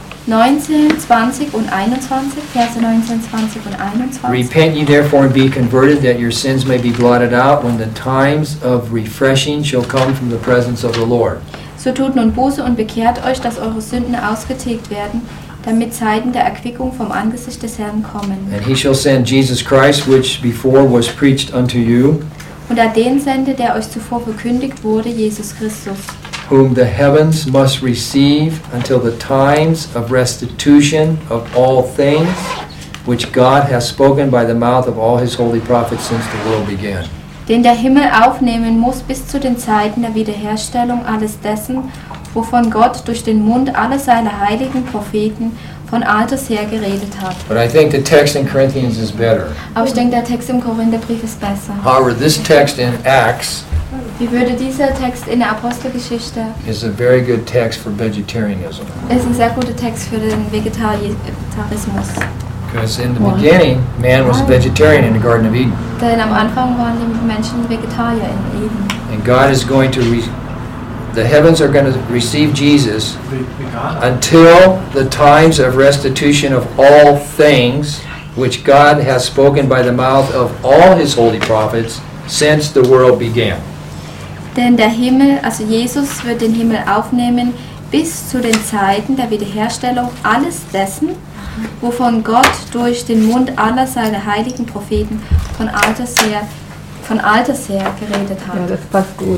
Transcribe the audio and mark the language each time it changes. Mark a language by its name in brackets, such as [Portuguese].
[English] Repent ye therefore and be converted, that your sins may be blotted out, when the times of refreshing shall come from the presence of the Lord. [German] So tut nun Buße und bekehrt euch, dass eure Sünden ausgetilgt werden, damit Zeiten der Erquickung vom Angesicht des Herrn kommen. [English] And he shall send Jesus Christ, which before was preached unto you. [German] Und er den sende, der euch zuvor verkündigt wurde, Jesus Christus. [English] Whom the heavens must receive until the times of restitution of all things, which God has spoken by the mouth of all his holy prophets since the world began. [German] Den der Himmel aufnehmen muss bis zu den Zeiten der Wiederherstellung alles dessen, wovon Gott durch den Mund aller seiner heiligen Propheten von alters her geredet hat. [English] But I think the text in Corinthians is better. [German] Aber ich denke, der Text im Korintherbrief ist besser. [English] However, this text in Acts, [German] wie würde dieser Text in der Apostelgeschichte, [English] is a very good text for vegetarianism. [German] Ist ein sehr guter Text für den Vegetarismus. [English] Because in the beginning, man was a vegetarian in the Garden of Eden. [German] Denn am Anfang waren die Menschen Vegetarier in Eden. [English] And God is going to the heavens are going to receive Jesus until the times of restitution of all things, which God has spoken by the mouth of all his holy prophets since the world began. [German] Denn der Himmel, also Jesus, wird den Himmel aufnehmen bis zu den Zeiten der Wiederherstellung alles dessen, wovon Gott durch den Mund aller seiner heiligen Propheten von alters her geredet hat. Ja, das passt gut.